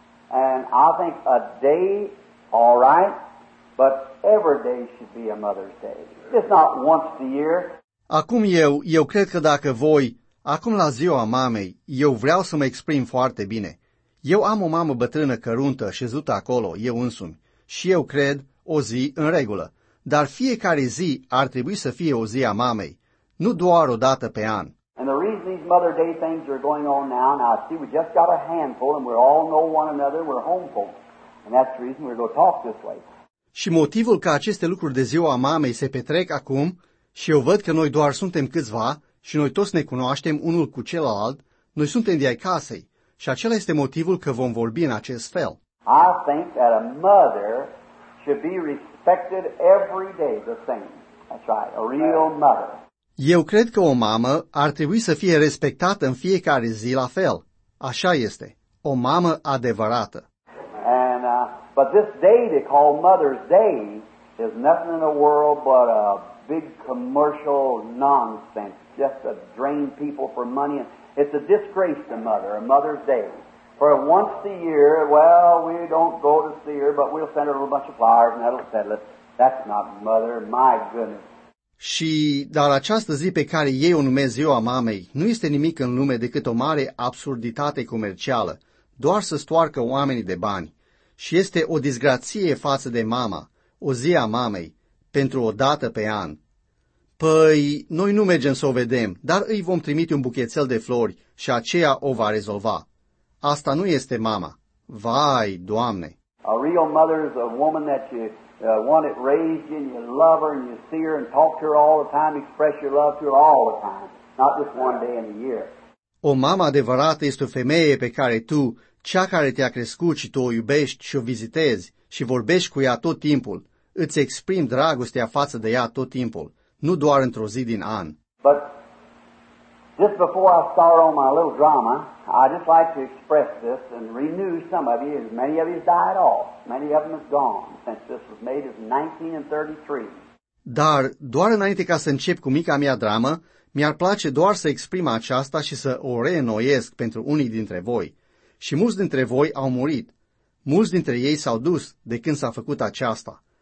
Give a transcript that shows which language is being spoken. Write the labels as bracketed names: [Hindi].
[English] And I think a day, all right, but every day should be a Mother's Day. Just not once a year. [Romanian] Acum eu cred că dacă voi, acum la ziua mamei, eu vreau să mă exprim foarte bine. Eu am o mamă bătrână căruntă șezută acolo, eu însumi, și eu cred o zi în regulă. Dar fiecare zi ar trebui să fie o zi a mamei, nu doar o dată pe an. [English] And the reason these Mother Day things are going on now, I see we just got a handful and we all know one another, we're home folks. And that's the reason we're going to talk this way. [Romanian] Și motivul că aceste lucruri de ziua mamei se petrec acum și eu văd că noi doar suntem câțiva și noi toți ne cunoaștem unul cu celălalt, noi suntem de-ai casei și acela este motivul că vom vorbi în acest fel. [English] I think that a mother should be respected every day the same. That's right, a real mother. [Romanian] Eu cred că o mamă ar trebui să fie respectată în fiecare zi la fel. Așa este, o mamă adevărată. [English] And but this day they call Mother's Day is nothing in the world but a big commercial nonsense, just to drain people for money. It's a disgrace to mother, a Mother's Day. For once a year, well, we don't go to see her, but we'll send her a little bunch of flowers and that'll settle it. That's not mother, my goodness. [Romanian] Și, dar această zi pe care ei o numesc ziua mamei, nu este nimic în lume decât o mare absurditate comercială, doar să stoarcă oamenii de bani. Și este o disgrație față de mama, o zi a mamei, pentru o dată pe an. Păi, noi nu mergem să o vedem, dar îi vom trimite un buchețel de flori și aceea o va rezolva. Asta nu este mama. Vai, Doamne! [English] A real mother is a woman that you want it raised in, you love her and you see her and talk to her all the time, express your love to her all the time, not just one day in a year. [Romanian] O mamă adevărată este o femeie pe care tu, cea care te-a crescut și tu o iubești și o vizitezi și vorbești cu ea tot timpul, îți exprimi dragostea față de ea tot timpul, nu doar într-o zi din an. [English] But Just before I start on my little drama, I'd just like to express this and renew some of you. Many of you have died off. Many of them have gone since this was made in 1933. [Romanian] Dar doar înainte ca să încep cu mica mea dramă, mi-ar place doar să exprim aceasta și să o reînnoiesc pentru unii dintre voi. Și mulți dintre voi au murit. Mulți dintre ei s-au dus de când s-a făcut aceasta.